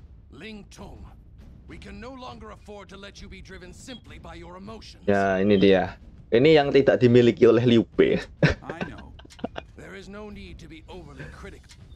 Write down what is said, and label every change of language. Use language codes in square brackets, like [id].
[en] Ling Tong, we can no longer afford to let you be driven simply by your emotions. [id] Ya, ini dia. Ini yang tidak dimiliki oleh Liu Bei. [en] I know. There is no need to be overly critical.